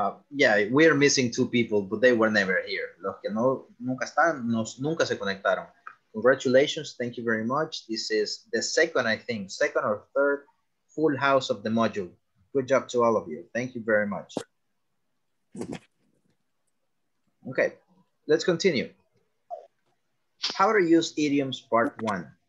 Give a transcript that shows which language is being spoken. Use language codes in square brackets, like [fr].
[en] Yeah, we are missing two people, but they were never here. [es] Los que no, nunca están, nunca se conectaron. [en] Congratulations, thank you very much. This is the second, I think, second or third full house of the module. Good job to all of you. Thank you very much. Okay, let's continue. How to use idioms, part one.